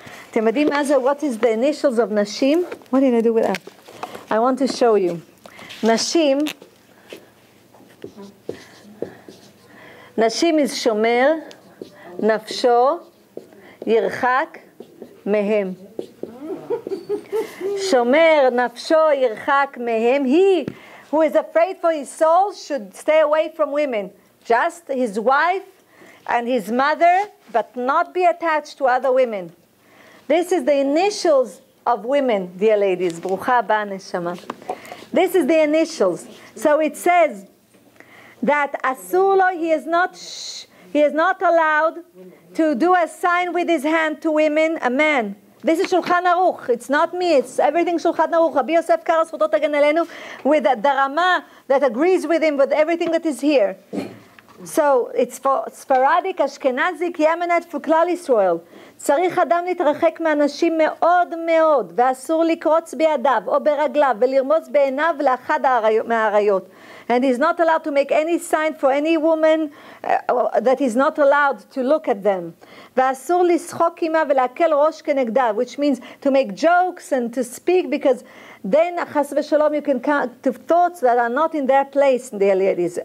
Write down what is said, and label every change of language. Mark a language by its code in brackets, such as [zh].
[he] אתם יודעים מה זה, [en] what is the initials of נשים? What did I do with that? I want to show you. [he] נשים, נשים [en] is [he] שומר, נפשו, ירחק מהם. שומר, נפשו, ירחק מהם. [en] He who is afraid for his soul should stay away from women. Just his wife and his mother, but not be attached to other women. This is the initials of women, dear ladies. [he] ברוכה הבאה, נשמה. [en] This is the initials. So it says that Asulo, he is not allowed to do a sign with his hand to women, a man. This is Shulchan Aruch. It's not me. It's everything Shulchan Aruch. Rabbi Yosef Karas, Fototot Agen Elenu, with the Rama that agrees with him, with everything that is here. So it's for Sephardic, Ashkenazic, Yemenite, for Klal Yisrael. [he] צריך אדם להתרחק מאנשים מאוד מאוד, ואסור לקרוץ בידיו או ברגליו, ולרמוז בעיניו לאחד מהעריות. [en] And he's not allowed to make any sign for any woman that he's not allowed to look at them. [he] ואסור לשחוק עמה ולהקל ראש כנגדיו, [en] which means to make jokes and to speak, because then, חס ושלום, you can come to thoughts that are not in their place, dear ladies.